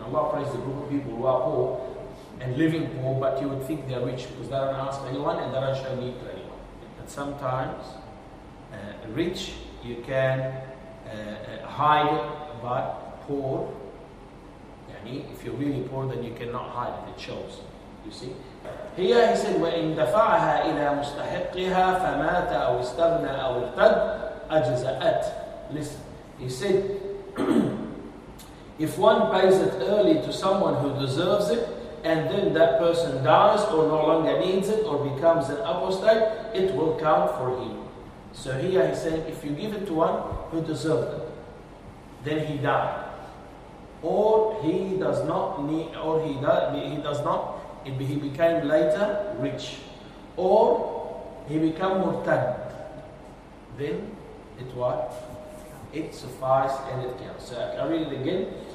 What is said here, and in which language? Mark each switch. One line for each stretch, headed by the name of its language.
English: Allah praise the group of people who are poor and living poor, but you would think they are rich because they don't ask anyone and they don't show need to anyone. But sometimes, rich you can hide, but poor, yani, if you're really poor, then you cannot hide it. It shows. You see?
Arabic: Here he said, وَإِنْ دَفَعَهَا إِلَى مُسْتَحِقِّهَا فَمَاتَ أَوْ اسْتَغْنَى أَوْ ارْتَدْ أَجْزَأَتْ.
English: Listen, he said, if one pays it early to someone who deserves it, and then that person dies or no longer needs it or becomes an apostate, it will count for him. So here he said, if you give it to one who deserves it, then he died, or he does not need, or he died, he does not, he became later rich, or he become murtad, then it what? It suffices and it counts. So I read it again.